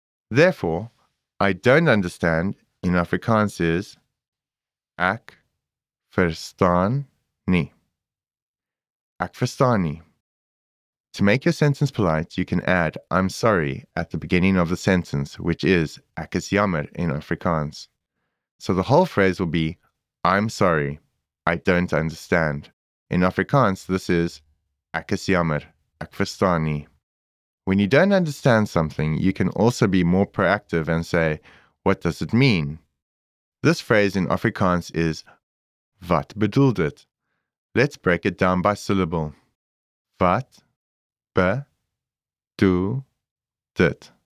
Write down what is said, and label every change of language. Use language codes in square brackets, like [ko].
[en] Therefore, I don't understand in Afrikaans is [af] ek verstaan nie. Ek verstaan nie. [en] To make your sentence polite, you can add I'm sorry at the beginning of the sentence, which is [af] ek is jammer [en] in Afrikaans. So the whole phrase will be, I'm sorry, I don't understand. In Afrikaans, this is, [af] ek is jammer, ek verstaan nie. [en] When you don't understand something, you can also be more proactive and say, what does it mean? This phrase in Afrikaans is, [af] wat bedoel dit? [en] Let's break it down by syllable. [af] Wat bedoel dit?